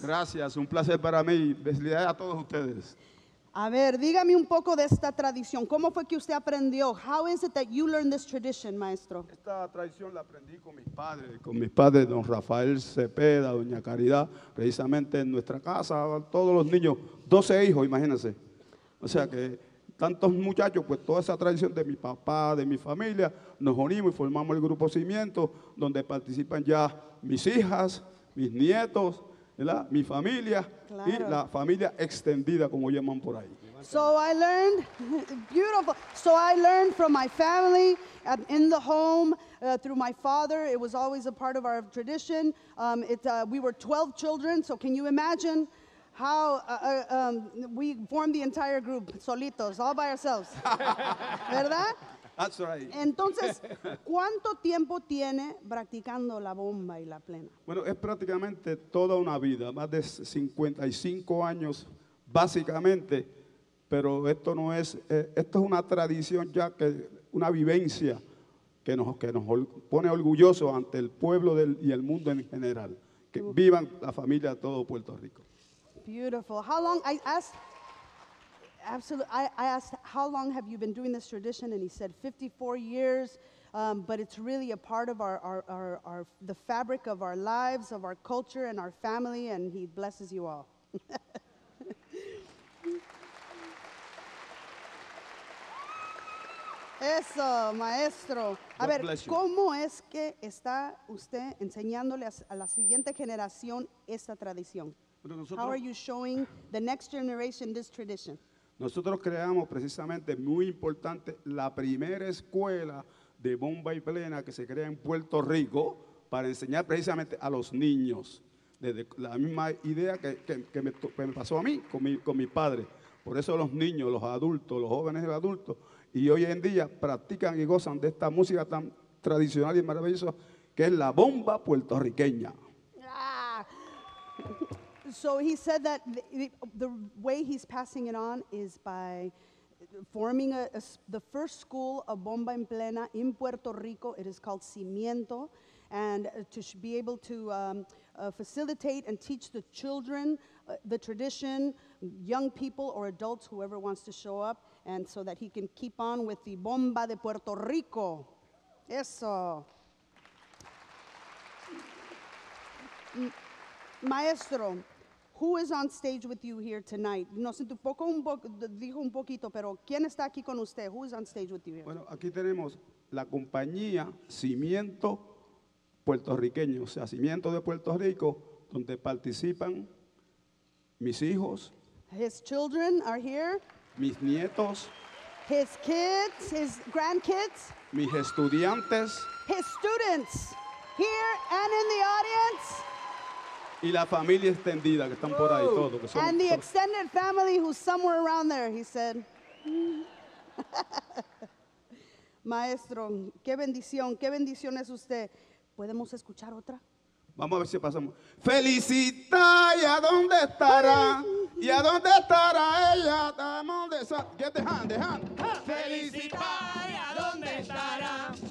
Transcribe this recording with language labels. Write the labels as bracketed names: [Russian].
[Spanish] Gracias, un placer para mí. Felicidades a todos ustedes. A ver, dígame un poco de esta tradición. ¿Cómo fue que usted aprendió? [English] How is it that you learned this tradition, maestro? [Spanish] Esta tradición la aprendí con mis padres, don Rafael Cepeda, doña Caridad, precisamente en nuestra casa, todos los niños, 12 hijos, imagínense. O sea que tantos muchachos, pues toda esa tradición de mi papá, de mi familia, nos unimos y formamos el grupo Cimiento, donde participan ya mis hijas, mis nietos, ¿verdad? Mi familia, claro. Y la familia extendida, como llaman por ahí. [English] So I learned, beautiful, so I learned from my family, in the home, through my father. It was always a part of our tradition. We were 12 children, so can you imagine how we formed the entire group, solitos, all by ourselves, [Spanish] ¿verdad? [English] That's right. [Spanish] Entonces, ¿cuánto tiempo tiene practicando la bomba y la plena? Bueno, es prácticamente toda una vida, más de 55 años, básicamente, pero esto no es, esto es una tradición ya, que una vivencia que nos pone orgullosos ante el pueblo y el mundo en general, que vivan la familia de todo Puerto Rico. [English] Beautiful. How long, I asked, Absolutely. I asked, how long have you been doing this tradition? And he said, 54 years. But it's really a part of our the fabric of our lives, of our culture and our family, and he blesses you all. [Spanish] Eso, maestro. A ver, ¿cómo es que está usted enseñándole a la siguiente generación esta tradición? [English] How are you showing the next generation this tradition? [Spanish] Nosotros creamos precisamente, muy importante, la primera escuela de bomba y plena que se crea en Puerto Rico para enseñar precisamente a los niños. Desde la misma idea que me pasó a mí con mi padre. Por eso los niños, los adultos, los jóvenes y los adultos, y hoy en día practican y gozan de esta música tan tradicional y maravillosa que es la bomba puertorriqueña. Ah. [English] So he said that the way he's passing it on is by forming the first school of bomba en plena in Puerto Rico. It is called Cimiento, and to be able to facilitate and teach the children the tradition, young people or adults, whoever wants to show up, and so that he can keep on with the bomba de Puerto Rico. Eso. Maestro, who is on stage with you here tonight? [Spanish] No sé, dijo un poquito, pero ¿quién está aquí con usted? [English] Who is on stage with you here? [Spanish] Bueno, aquí tenemos la compañía Cimiento Puertorriqueño, o sea, Cimiento de Puerto Rico, donde participan mis hijos. [English] His children are here. [Spanish] Mis nietos. [English] His kids, his grandkids. [Spanish] Mis estudiantes. [English] His students, here and in the audience. [Spanish] Y la familia extendida que están por ahí todos. [English] And the extended family who's somewhere around there, he said. [Spanish] Maestro, qué bendición es usted. ¿Podemos escuchar otra? Vamos a ver si pasamos. Felicita, ¿y a dónde estará? ¿Y a dónde estará ella? [English] Get the hand, [Spanish] Felicita, ¿y a dónde estará?